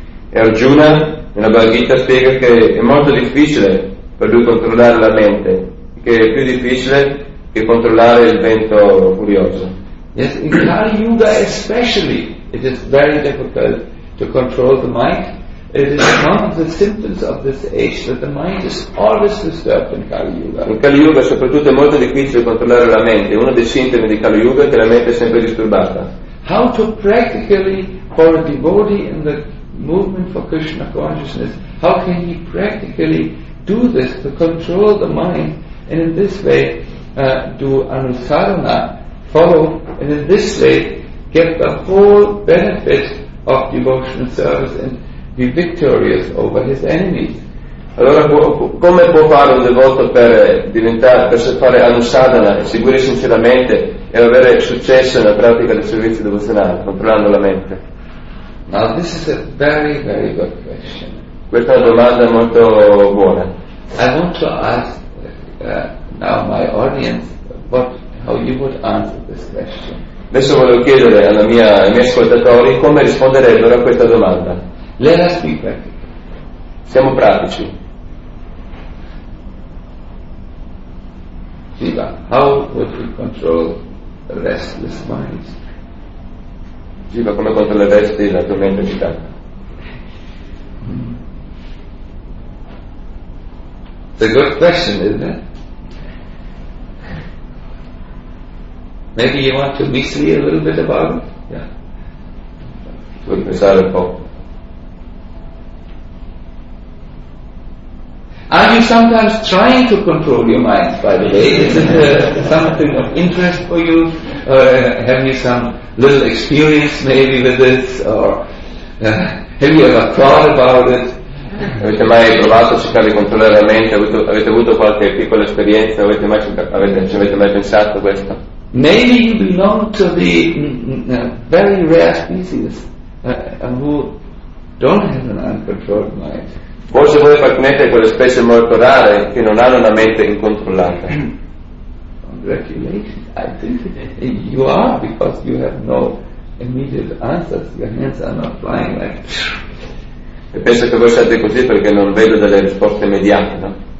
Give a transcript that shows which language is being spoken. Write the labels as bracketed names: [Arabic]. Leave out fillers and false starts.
[Italian] E Arjuna, nella Bhagavad Gita, spiega che è molto difficile per lui controllare la mente, che è più difficile che controllare il vento furioso. [English] Yes, in Kali Yuga especially, it is very difficult to control the mind. It is one of the symptoms of this age that the mind is always disturbed in Kali Yuga. [Italian] In Kali Yuga soprattutto è molto difficile controllare la mente. Uno dei sintomi di Kali Yuga è che la mente è sempre disturbata. [English] How to practically, for a devotee in the movement for Krishna consciousness, how can he practically do this to control the mind, and in this way do anusarana, follow, and in this way get the whole benefit of devotional service and be victorious over his enemies. [Italian] Allora, come può fare un devoto per diventare, per fare anusadana, seguire sinceramente e avere successo nella pratica del servizio devozionale, controllando la mente? [English] Now this is a very, very good question. [Italian] Questa è una domanda molto buona. [English] I want to ask now my audience what, how you would answer this question. [Italian] Adesso voglio chiedere alla mia, ai miei ascoltatori come risponderebbero a questa domanda. [English] Let us be practical. [Italian] Siamo pratici. [English] Siva, how would we control restless minds? [Italian] Siva, come controlleresti la tua mente agitata? [English] It's a good question, isn't it? Maybe you want to mislead a little bit about it? [Italian] Yeah. Vuoi pensare un po'? [English] Are you sometimes trying to control your mind, by the way? Is it something of interest for you? Have you some little experience maybe with this? Or have you ever thought about it? [Italian] Avete mai provato a cercare di controllare la mente? Avete avuto qualche piccola esperienza? Ci avete mai pensato questo? [English] Maybe you belong to the very rare species who don't have an uncontrolled mind. [Italian] Forse voi appartenete a quelle specie molto rare che non hanno una mente incontrollata. [English] Congratulations, I think you are, because you have no immediate answers. Your hands are not flying like. [Italian] E penso che voi siate così perché non vedo delle risposte immediate, no?